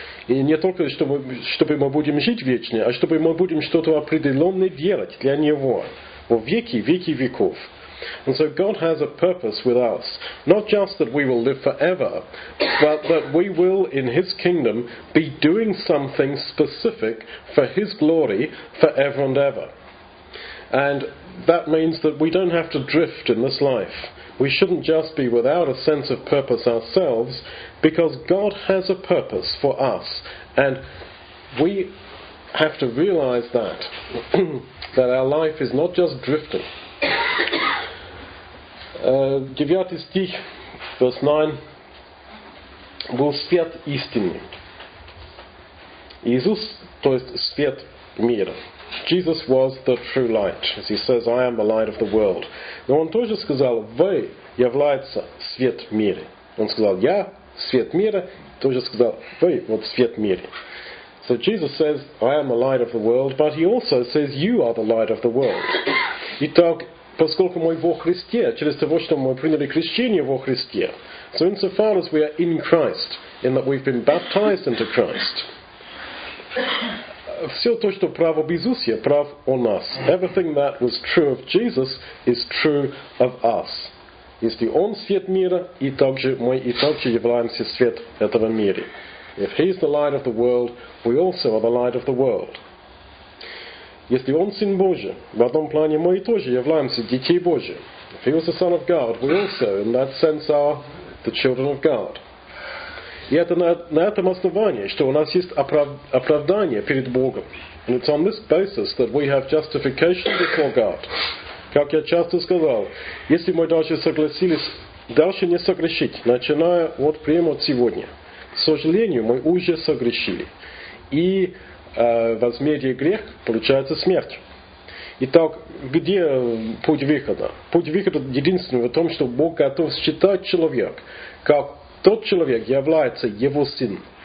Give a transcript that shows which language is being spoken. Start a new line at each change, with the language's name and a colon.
Russian: И не только, чтобы мы будем жить вечно, а чтобы мы будем что-то определенное делать для Него во веки, веки веков.
English: And so God has a purpose with us. Not just that we will live forever, but that we will, in His kingdom, be doing something specific for His glory forever and ever. And that means that we don't have to drift in this life. We shouldn't just be without a sense of purpose ourselves, because God has a purpose for us. And we have to realize that, that our life is not just drifting.
Russian: Девятый стих,
English: verse 9,
Russian: был свет истины. Иисус, то есть свет мира.
English: Jesus was the true light, as he says, I am the light of the world.
Russian: Но он тоже сказал, вы является свет мира. Он сказал, я свет мира, тоже сказал, вы вот свет мира.
English: So Jesus says, I am the light of the world, but he also says, you are the light of the world.
Russian: Итак, поскольку мы во Христе, через того, что мы приняли крещение во Христе,
English: so insofar as we are in Christ, in that we've been baptized into Christ,
Russian: все то, что прав об Иисусе, прав о нас.
English: Everything that was true of Jesus is true of us.
Russian: Если Он свет мира, и также мы и также являемся свет этого мира.
English: If He is the light of the world, we also are the light of the world.
Russian: Если Он Сын Божий, в одном плане мы и тоже являемся детьми Божьими.
English: If He was the Son of God, we also, in that sense, are the children of God.
Russian: И это на этом основании, что у нас есть оправдание перед Богом.
English: And it's on this basis that we have justification before God.
Russian: Как я часто сказал, если мы дальше согласились, дальше не согрешить, начиная вот прямо от сегодня. К сожалению, мы уже согрешили. И возмездие грех получается смерть. Итак, где путь выхода? Путь выхода единственный в том, что Бог готов считать человек, как тот человек является его сын.